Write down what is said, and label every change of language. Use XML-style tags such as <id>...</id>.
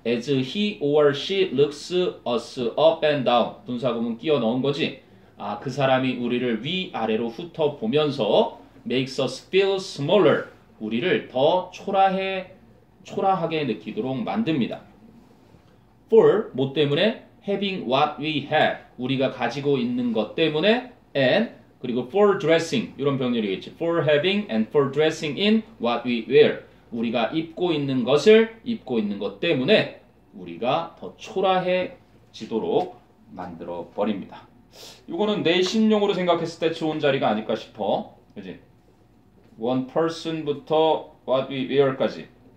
<en>As he or she looks us up and down.</en> <ko>분사구문 끼워 넣은 거지. 아, 그 사람이 우리를 위아래로 훑어보면서</ko> <en>makes us feel smaller.</en> <ko>우리를 더 초라하게 느끼도록 만듭니다.</ko> <en>For,</en> <ko>뭐 때문에?</ko> <en>Having what we have,</en> <ko>우리가 가지고 있는 것 때문에.</ko> <en>And,</en> <ko>그리고</ko> <en>for dressing,</en> <ko>이런 병렬이겠지.</ko> <en>For having and for dressing in what we wear,</en> <ko>우리가 입고 있는 것을 입고 있는 것 때문에 우리가 더 초라해지도록 만들어 버립니다. 이거는 내 신용으로 생각했을 때 좋은 자리가 아닐까 싶어. 그지?</ko> <en>One person</en> <ko>부터</ko> <en>what we wear</en> <ko>까지.</ko>